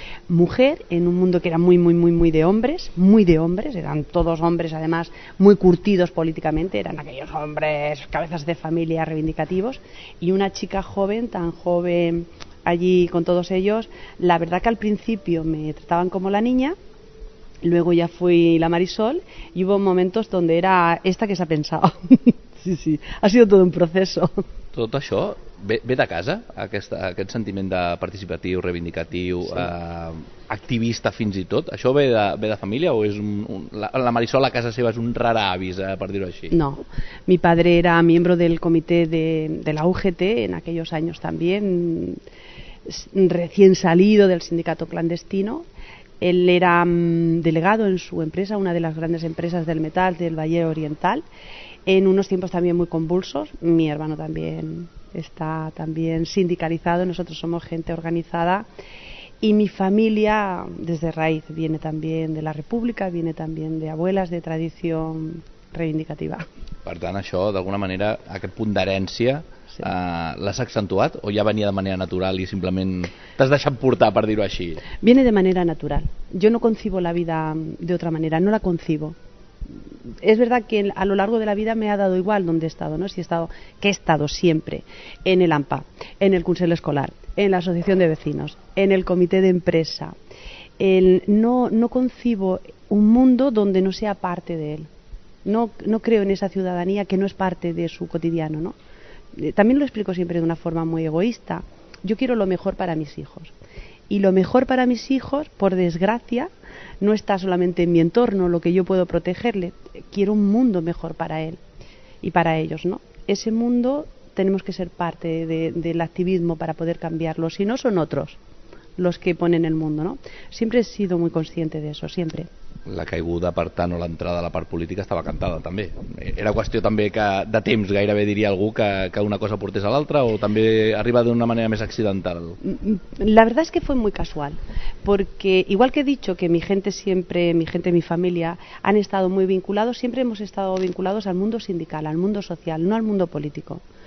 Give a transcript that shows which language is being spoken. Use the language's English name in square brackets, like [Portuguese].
[Spanish] Mujer, en un mundo que era muy, muy, muy, muy de hombres, eran todos hombres además muy curtidos políticamente, eran aquellos hombres, cabezas de familia reivindicativos, y una chica joven, tan joven allí con todos ellos, la verdad que al principio me trataban como la niña, luego ya fui la Marisol y hubo momentos donde era esta que se ha pensado. Sí, sí, ha sido todo un proceso. [Catalan] Tot això ve de casa, aquest sentiment de participatiu, reivindicatiu, sí. Activista fins i tot, això ve de família o és la Marisol a casa seva és un rara avis, per dir-ho així? [Spanish] No, mi padre era miembro del comité de la UGT en aquellos años también, recién salido del sindicato clandestino. Él era delegado en su empresa, una de las grandes empresas del metal del Valle Oriental, en unos tiempos también muy convulsos. Mi hermano también está también sindicalizado, nosotros somos gente organizada, y mi familia desde raíz viene también de la República, viene también de abuelas de tradición reivindicativa. [Catalan] Per tant, això d'alguna manera, aquest punt d'herència, sí. L'has accentuat o ja venia de manera natural i simplement t'has deixat portar, per dir-ho així? [Spanish] Viene de manera natural. Yo no concibo la vida de otra manera, no la concibo. Es verdad que a lo largo de la vida me ha dado igual dónde he estado, ¿no? Si he estado, que he estado siempre en el AMPA, en el Consell Escolar, en la Asociación de Vecinos, en el Comité de Empresa. No concibo un mundo donde no sea parte de él. No creo en esa ciudadanía que no es parte de su cotidiano, ¿no? También lo explico siempre de una forma muy egoísta. Yo quiero lo mejor para mis hijos. Y lo mejor para mis hijos, por desgracia, no está solamente en mi entorno, lo que yo puedo protegerle. Quiero un mundo mejor para él y para ellos, ¿no? Ese mundo tenemos que ser parte del activismo para poder cambiarlo. Si no, son otros los que ponen el mundo, ¿no? Siempre he sido muy consciente de eso, siempre. [Catalan] La caiguda, per tant, o l'entrada a la part política estava cantada, també. Era qüestió també que de temps, gairebé diria algú, que una cosa portés a l'altra, o també arriba d'una manera més accidental? [Spanish] La verdad es que fue muy casual, porque igual que he dicho que mi gente siempre, mi gente, mi familia, han estado muy vinculados, siempre hemos estado vinculados al mundo sindical, al mundo social, no al mundo político.